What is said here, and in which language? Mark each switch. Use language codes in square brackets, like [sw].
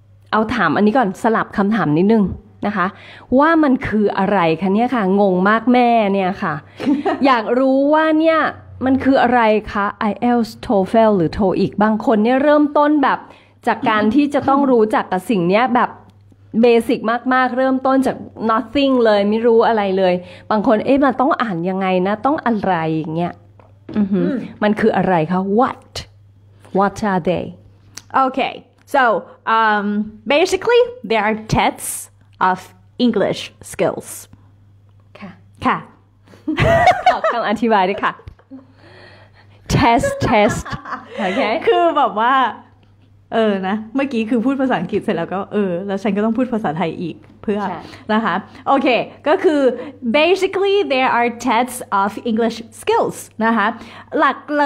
[th] เอาถามอันนี้ก่อนสลับคำถามนิดนึงนะคะว่ามันคืออะไรคะเนี่ยค่ะงงมากแม่เนี่ยค่ะ อยากรู้ว่าเนี่ยมันคืออะไรคะ IELTS TOEFL หรือ TOEIC บางคนเนี่ยเริ่มต้นแบบจากการ ที่จะต้องรู้จักกับสิ่งเนี้ยแบบเบสิกมากๆเริ่มต้นจาก nothing เลยไม่รู้อะไรเลยบางคนเอ๊ะมันต้องอ่านยังไงนะต้องอะไรอย่างเงี้ยมันคืออะไรคะ [en] what are they okay so basically there are tests of English skills [th] ค่ะขอคำอธิบายด้วยค่ะ [en] test okay [th] คือแบบว่าเออนะเมื่อกี้คือพูดภาษาอังกฤษเสร็จแล้วก็เออแล้วฉันก็ต้องพูดภาษาไทยอีกเพื่อนะคะโอเคก็คือ [en] basically there are tests of English skills [th] นะคะหลัก